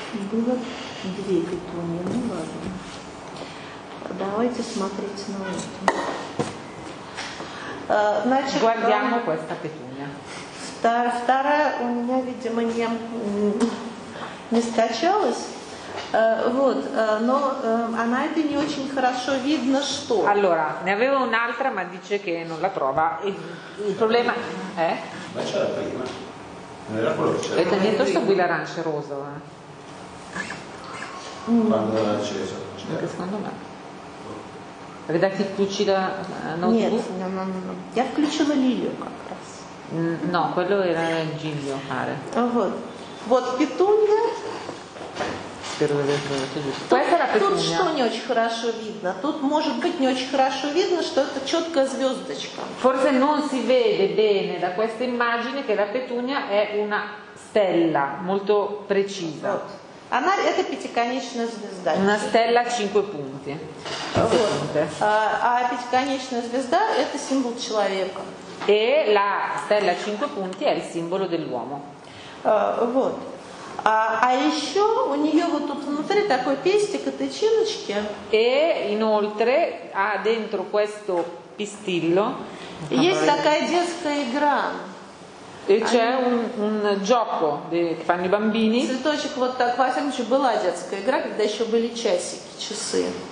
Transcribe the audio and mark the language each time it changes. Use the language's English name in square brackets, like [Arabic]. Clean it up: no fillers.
[Russian] Было две петуни, ну ладно. Давайте смотреть на эту. [Italian] Значит, guardiamo questa petunia. [Russian] Вторая у меня, видимо, не скачалась. [Italian] Allora, ne avevo un'altra, ma dice che non la trova. Il problema è. Ma c'è la prima. Non era quello che c'era. E tagliato sto qui l'arancia rosa. Quando era accesa. Anche secondo me. Vedete che ci da. No. [Russian] Я включила лилию как раз. [Italian] No, quello era il giglio, pare. [Russian] Вот петунья. [Italian] Questa è la petunia. [Russian] Тут что не очень хорошо видно. Тут может быть не очень хорошо видно, что это четкая звездочка. [Italian] Forse non si vede bene da questa immagine che la petunia è una stella molto precisa. [Russian] Она это пятиконечная звезда. [Italian] Una stella a cinque punti. [Russian] А пятиконечная звезда это символ человека. [Italian] E la stella a cinque punti è il simbolo dell'uomo. [Russian] Вот. А еще у нее вот тут внутри такой пестик и тычиночки. [Italian] E inoltre ha dentro questo pistillo. [Russian] Есть такая детская игра. [Italian] E c'è un gioco che fanno i bambini. [Russian] Цветочек вот так, во всяком случае, была детская игра, когда еще были часики, часы.